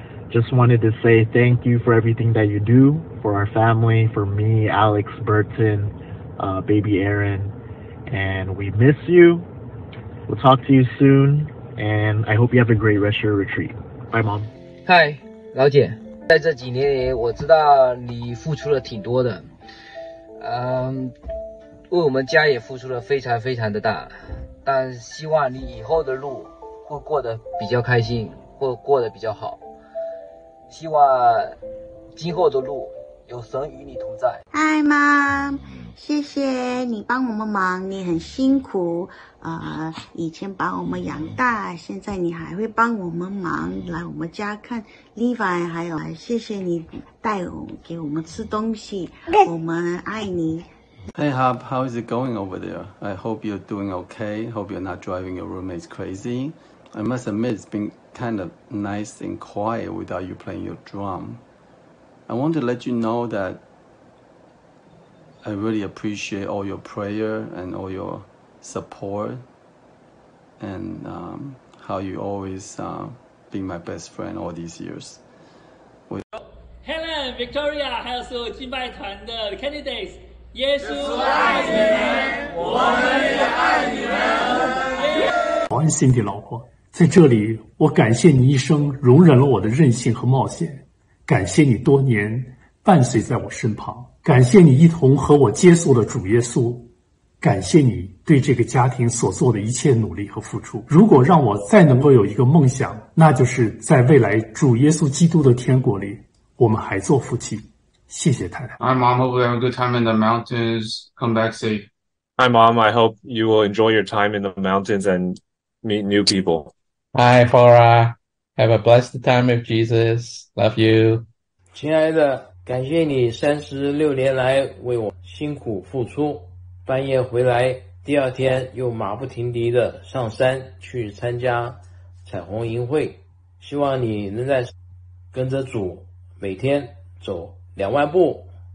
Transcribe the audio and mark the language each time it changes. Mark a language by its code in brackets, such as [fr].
[en] Just wanted to say thank you for everything that you do for our family, for me, Alex, Burton, baby Aaron, and we miss you. We'll talk to you soon, and I hope you have a great rest of your retreat. Bye mom. Hi, [zh] 老姐，在这几年里我知道你付出了挺多的，为我们家也付出了非常非常的大，但希望你以后的路会过得比较开心，或过得比较好，希望今后的路有神与你同在。 [en] Hi mom， [zh] 谢谢你帮我们忙，你很辛苦，以前把我们养大，现在你还会帮我们忙，来我们家看 Levi， 还有谢谢你带我给我们吃东西，我们爱你。 [en] Hey Hub, how is it going over there? I hope you're doing okay. Hope you're not driving your roommates crazy. I must admit, it's been kind of nice and quiet without you playing your drum. I want to let you know that I really appreciate all your prayer and all your support and how you always been my best friend all these years. [zh] Helen, Victoria, 还有所有敬拜团的 candidates, 耶稣爱你们，我们也爱你们。 Cindy 老婆，在这里我感谢你一生容忍了我的任性和冒险，感谢你多年伴随在我身旁，感谢你一同和我接触了主耶稣，感谢你对这个家庭所做的一切努力和付出。如果让我再能够有一个梦想，那就是在未来主耶稣基督的天国里，我们还做夫妻。谢谢太太。 [en] Hi, mom. Hope you have a good time in the mountains. Come back safe. Hi, mom. I hope you will enjoy your time in the mountains and meet new people. Hi, Flora. Have a blessed time with Jesus. Love you. [zh] 亲爱的，感谢你36年来为我辛苦付出。半夜回来，第二天又马不停蹄的上山去参加彩虹营会。希望你能在跟着主每天走20000步。